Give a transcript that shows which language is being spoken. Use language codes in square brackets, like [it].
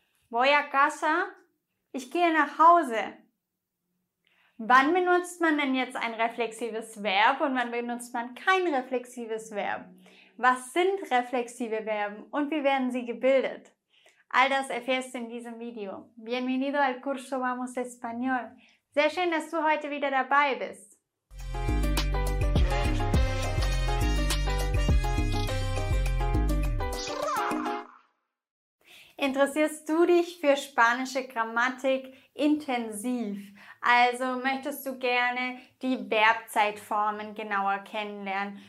[es] Voy a casa. [de] Ich gehe nach Hause. Wann benutzt man denn jetzt ein reflexives Verb und wann benutzt man kein reflexives Verb? Was sind reflexive Verben und wie werden sie gebildet? All das erfährst du in diesem Video. [es] Bienvenido al curso Vamos Español. [de] Sehr schön, dass du heute wieder dabei bist. Interessierst du dich für spanische Grammatik intensiv? Also möchtest du gerne die Verbzeitformen genauer kennenlernen?